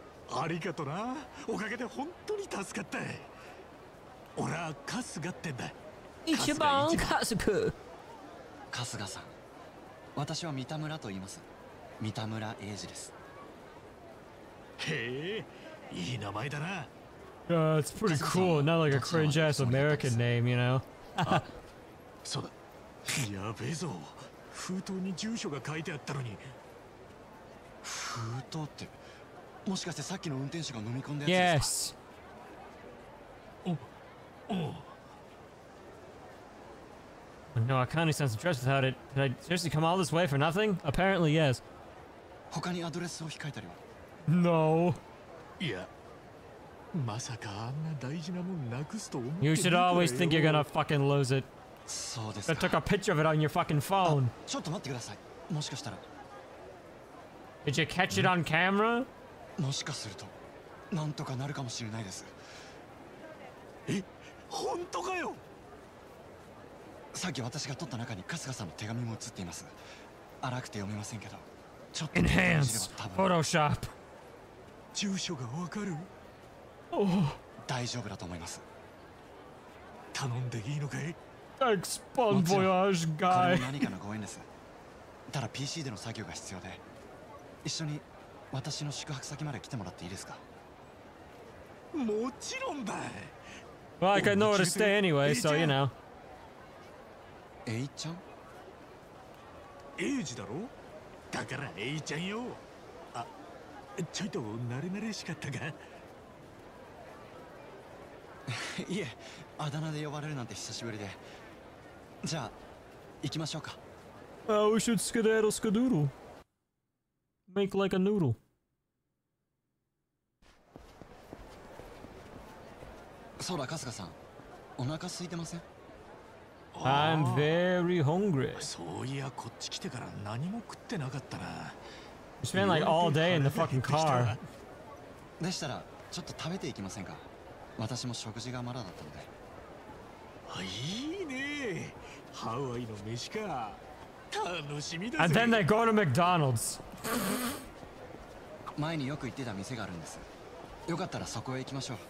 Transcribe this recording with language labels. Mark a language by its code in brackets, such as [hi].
[ja] ありがとうなおかげで本当に助かった俺は春日ってんだ一番春日春日さん私は三田村と言います三田村英二ですへえいい名前だな [en] It's pretty cool not like a cringe ass American name you know [ja] そうだ。やべえぞ。封筒に住所が書いてあったのに。封筒って、もしかしてさっきの運転手が飲み込んだやつですか [en] No, I kind of sense stress without it. Did I seriously come all this way for nothing? Apparently, yes. [ja] 他にアドレスを控えたりは [en] No. [ja] いや。まさかあんな大事なもんなくすと思って [en] た You should always think you're gonna fucking lose it. [ja] そうですか。 [en] I took a picture of it on your fucking phone. [ja] ちょっと待ってください。もしかしたら。 [en] Did you catch it on camera? [ja] もしかすると、なんとかなるかもしれないです。え、本当かよ。さっき私が撮った中に春日さんの手紙も写っています。荒くて読めませんけど、ちょっと [en] Enhanced Photoshop。 [ja] 住所がわかる。 [en] Oh. [ja] 大丈夫だと思います。頼んでいいのかい？ [en] Thanks, Bon Voyage guy. [ja] これも何かのご縁です。ただ PC での作業が必要で、一緒に私の宿泊先まで来てもらっていいですか？もちろんだ。 [en] Well, I can know where to stay anyway, so you know. [ja] エイちゃん？エイジだろ？だからエイちゃんよ。あ、ちょいと慣れ慣れしかったか。いえ、あだ名で呼ばれるなんて久しぶりで。じゃあ、行きましょうか。 [en] We should skedaddle skadoodle. Make like a noodle. [ja] そうだ、春日さん。お腹空いてません？ [en] I'm very hungry. [ja] そういや、こっち来てから何も食ってなかったな。 [en] We spent like all day in the fucking car. [ja] でしたら、ちょっと食べていきませんか？私も食事がまだだったので。あ、いいね。ハワイの飯か。楽しみだぜ。 [en] And then they go to McDonald's. [ja] 前によく行ってた店があるんです。よかったらそこへ行きましょう。